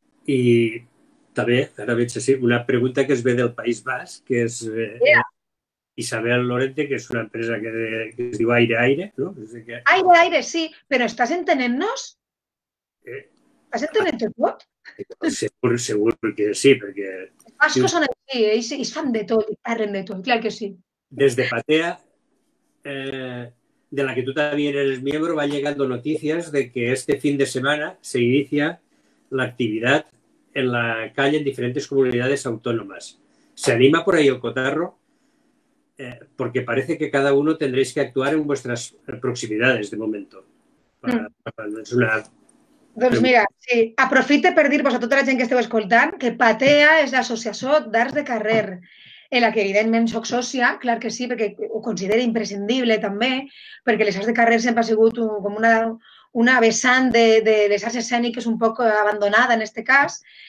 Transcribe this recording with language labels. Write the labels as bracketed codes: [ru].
[ca] I també, ara veig així, una pregunta que es ve del País Basc, que és Isabel Lorente, que és una empresa que es diu Aire Aire, no? Aire Aire, sí, però estàs entenent-nos? Estàs entenent-te tot? Segur que sí, perquè... Els bascos són així, ells fan de tot, parlen de tot, clar que sí. [es] Des de Patea, de la que tu también eres miembro, van llegando noticias de que este fin de semana se inicia la actividad en la calle en diferentes comunidades autónomas. ¿Se anima por ahí el cotarro? Porque parece que cada uno tendréis que actuar en vuestras proximidades de momento. Es una... [ca] Doncs mira, sí, aprofite per dir-vos a tota la gent que esteu escoltant que Patea és l'associació d'arts de carrer, en la que evidentment soc sòcia, clar que sí, perquè ho considero imprescindible també, perquè les arts de carrer sempre ha sigut com una vessant de les arts escèniques un poc abandonada en este cas.